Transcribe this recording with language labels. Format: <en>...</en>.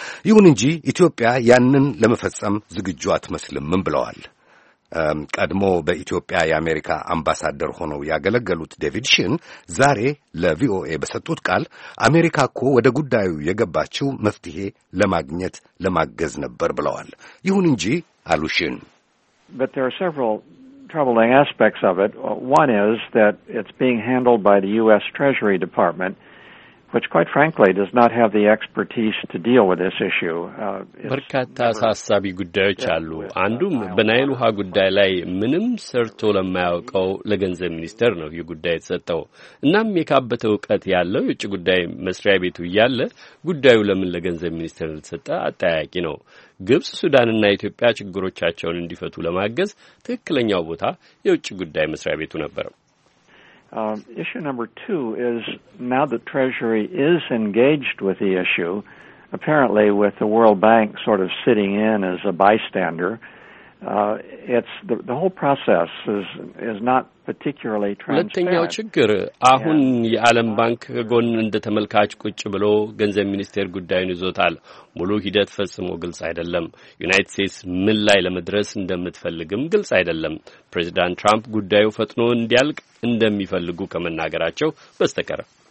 <am>ይሁን እንጂ ኢትዮጵያ ያንን ለመፈጸም ዝግጁ አትመስልምም ብለዋል። ቀድሞ በኢትዮጵያ የአሜሪካ አምባሳደር ሆነው ያገለገሉት ዴቪድ ሺን ዛሬ ለቪኦኤ በሰጡት ቃል አሜሪካ እኮ ወደ ጉዳዩ የገባችው መፍትሄ ለማግኘት ለማገዝ ነበር ብለዋል። ይሁን እንጂ አሉ ሺን</am> <en>But there are several troubling aspects of it. One is that it's being handled by the US Treasury Department, which quite frankly does not have the expertise to deal with this issue.</en> <am>በርካታ አሳሳቢ ጉዳዮች አሉ። አንዱም በናይል ውሃ ጉዳይ ላይ ምንም ሰርቶ ለማያውቀው ለገንዘብ ሚኒስቴር ነው ይህ ጉዳይ የተሰጠው። እናም የካበተው ዕውቀት ያለው የውጭ ጉዳይ መስሪያ ቤቱ ያለ ጉዳዩ ለምን ለገንዘብ ሚኒስቴር እንደተሰጠ አጠያቂ ነው። ግብጽ፣ ሱዳንና ኢትዮጵያ ችግሮቻቸውን እንዲፈቱ ለማገዝ ትክክለኛው ቦታ የውጭ ጉዳይ መስሪያ ቤቱ ነበር።</am> <en>Issue number two is now that Treasury is engaged with the issue, apparently with the World Bank sort of sitting in as a bystander, it's the whole process is not particularly transparent.</en> <am>ለተኛው ችግር አሁን የዓለም ባንክ ጎን እንደ ተመልካች ቁጭ ብሎ ገንዘብ ሚኒስቴር ጉዳዩን ይዞታል። ሙሉ ሂደት ፈጽሞ ግልጽ አይደለም። ዩናይትድ ስቴትስ ምን ላይ ለመድረስ እንደምትፈልግም ግልጽ አይደለም። ፕሬዚዳንት ትራምፕ ጉዳዩ ፈጥኖ እንዲያልቅ እንደሚፈልጉ ከመናገራቸው በስተቀር</am>